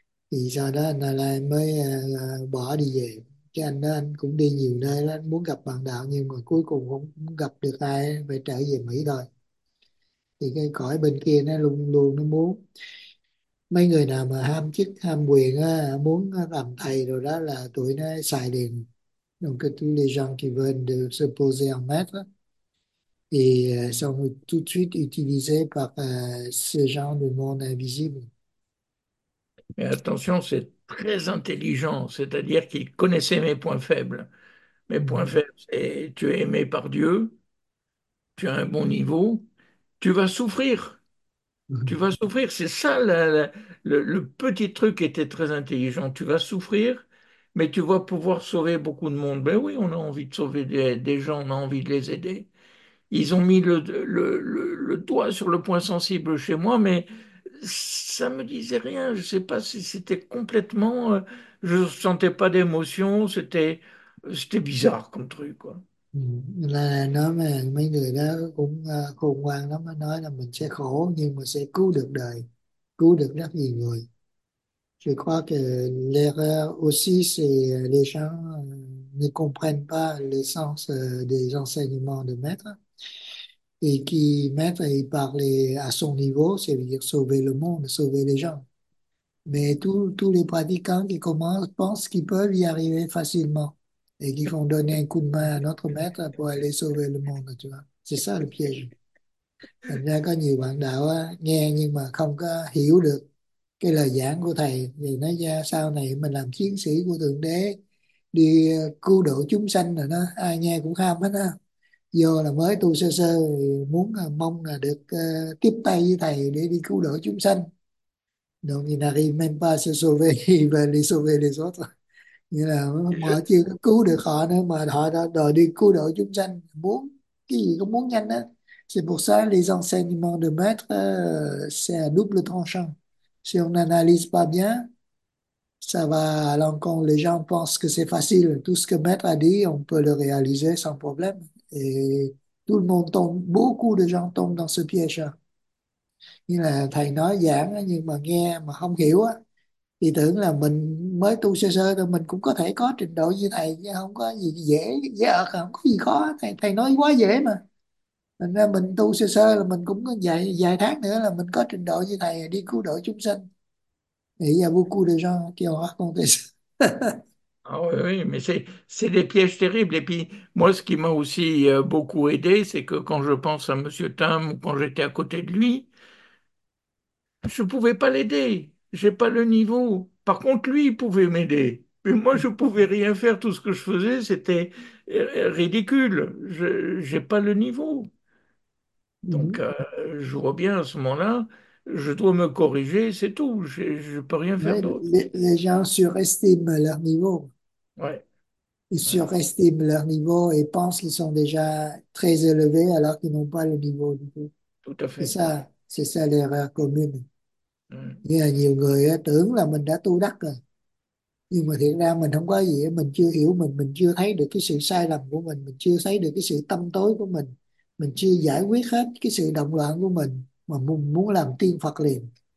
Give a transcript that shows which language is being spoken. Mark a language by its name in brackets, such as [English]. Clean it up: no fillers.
[Vietnamese] Thì sau đó anh Đà La mới bỏ đi về. Chứ anh đó anh cũng đi nhiều nơi lắm, muốn gặp bạn đạo nhưng mà cuối cùng không gặp được ai, phải trở về Mỹ thôi. Thì cái cõi bên kia nó luôn luôn nó muốn mấy người nào mà ham chức ham quyền á, muốn làm thầy rồi đó là tụi nó xài liền. [French] Donc tous les gens qui veulent de se poser en maître et sont tout de suite utilisés par ce genre de monde invisible. Mais attention, c'est très intelligent, c'est-à-dire qu'il connaissait mes points faibles. Mes points faibles, c'est tu es aimé par Dieu, tu as un bon niveau, tu vas souffrir. Tu vas souffrir, c'est ça le petit truc était très intelligent. Tu vas souffrir, mais tu vas pouvoir sauver beaucoup de monde. Ben oui, on a envie de sauver des gens, on a envie de les aider. Ils ont mis le doigt sur le point sensible chez moi, mais ça me disait rien. Je ne sais pas si c'était complètement. Je ne sentais pas d'émotion, c'était bizarre comme truc, quoi. [Vietnamese] Là nói mà mấy người đó cũng khôn ngoan lắm, mới nói là mình sẽ khổ nhưng mà sẽ cứu được đời, cứu được rất nhiều người. [French] Je crois que aussi c'est les gens ne comprennent pas le sens des enseignements de maître, et qui maître il parlait à son niveau, c'est-à-dire sauver le monde, sauver les gens. Mais tous les pratiquants qui commencent pensent qu'ils peuvent y arriver facilement. Et qui vont donner un coup de main à notre maître pour aller sauver le monde, tu vois. C'est ça le piège. [Vietnamese] Thành ra có nhiều bạn đạo á, nghe nhưng mà không có hiểu được cái lời giảng của thầy. Vì nói ra sau này mình làm chiến sĩ của Thượng Đế, đi cứu độ chúng sanh rồi đó, ai nghe cũng ham hết á. Vô là mới tu sơ sơ, muốn mong là được tiếp tay với thầy để đi cứu độ chúng sanh. [French] Donc il n'arrive même pas à se sauver, il va les sauver les autres. [Vietnamese] Nghĩa là họ chưa có cứu được họ nữa mà họ đã đòi đi cứu độ chúng sanh, muốn cái gì cũng muốn nhanh á. [French] C'est pour ça les enseignements de maître c'est à double tranchant. Si on n'analyse pas bien, ça va à l'encontre. Les gens pensent que c'est facile, tout ce que maître a dit on peut le réaliser sans problème, et tout le monde tombe, beaucoup de gens tombent dans ce piège là. [Vietnamese] Như là thầy nói giảng nhưng mà nghe mà không hiểu á, thì tưởng là mình mới tu sơ sơ thôi, mình cũng có thể có trình độ như thầy, chứ không có gì dễ dễ ợt, không có gì khó. Thầy nói quá dễ mà. Thành ra mình tu sơ sơ là mình cũng có vài tháng nữa là mình có trình độ như thầy đi cứu độ chúng sinh. Nghĩ là [French] beaucoup de gens qui ont raconté ça. Ah oui, mais c'est des pièges terribles. Et puis, moi, ce qui m'a aussi beaucoup aidé, c'est que quand je pense à M. Tam ou quand j'étais à côté de lui, je ne pouvais pas l'aider. Je n'ai pas le niveau. Par contre, lui, il pouvait m'aider. Mais moi, je ne pouvais rien faire. Tout ce que je faisais, c'était ridicule. Je n'ai pas le niveau. Donc, je vois bien à ce moment-là, je dois me corriger, c'est tout. Je ne peux rien faire Ouais, d'autre. les gens surestiment leur niveau. Ouais. Ils surestiment leur niveau et pensent qu'ils sont déjà très élevés alors qu'ils n'ont pas le niveau du tout. Tout à C'est ça, l'erreur commune. Il y a [Vietnamese] nhiều người tưởng là mình đã tu đắc rồi, nhưng mà thiệt ra mình không có gì, mình chưa hiểu mình chưa thấy được cái sự sai lầm của mình chưa thấy được cái sự tâm tối của mình. Mình chưa giải quyết hết cái sự động loạn của mình mà muốn làm tiên Phật liền.